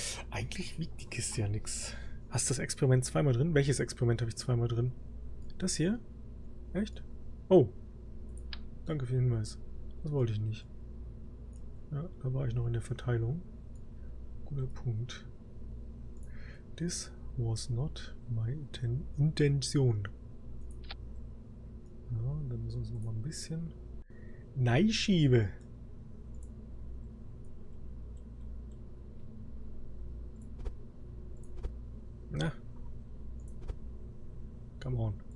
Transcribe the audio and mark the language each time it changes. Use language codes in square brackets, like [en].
[de] Eigentlich wiegt die Kiste ja nichts. Hast du das Experiment zweimal drin? Welches Experiment habe ich zweimal drin? Das hier? Echt? Oh. Danke für den Hinweis. Das wollte ich nicht. Ja, da war ich noch in der Verteilung. Guter Punkt. [en] This was not my intention. [de] Ja, dann müssen wir uns noch mal ein bisschen... Nein, schiebe! Na. [en] Come on.